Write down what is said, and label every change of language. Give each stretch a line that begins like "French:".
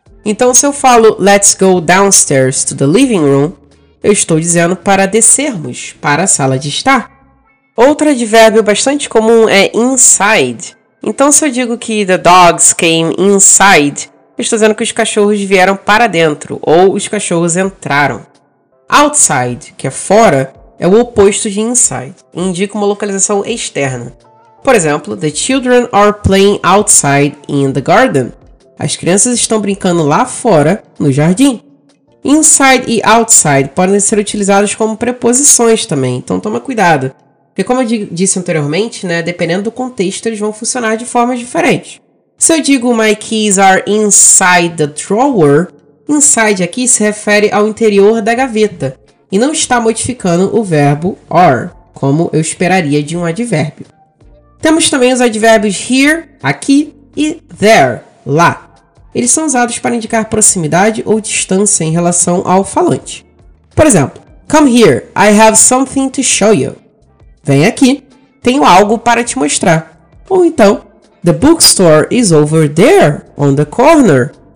Portuguese: Então, se eu falo
English: let's go downstairs to the living room,
Portuguese: eu estou dizendo para descermos para a sala de estar. Outro advérbio bastante comum é inside, Então, se eu digo que
English: the dogs came inside,
Portuguese: eu estou dizendo que os cachorros vieram para dentro, ou os cachorros entraram. Outside, que é fora, é o oposto de inside, e indica uma localização externa. Por exemplo,
English: the children are playing outside in the garden.
Portuguese: As crianças estão brincando lá fora, no jardim. Inside e outside podem ser utilizados como preposições também, então toma cuidado. Porque como eu disse anteriormente, né, dependendo do contexto, eles vão funcionar de formas diferentes. Se eu digo
English: my keys are inside the drawer,
Portuguese: inside aqui se refere ao interior da gaveta e não está modificando o verbo are, como eu esperaria de um advérbio. Temos também os advérbios here, aqui, e there, lá. Eles são usados para indicar proximidade ou distância em relação ao falante. Por exemplo,
English: come here, I have something to show you.
Portuguese: Vem aqui, tenho algo para te mostrar. Ou então,
English: the bookstore is over there, on the corner.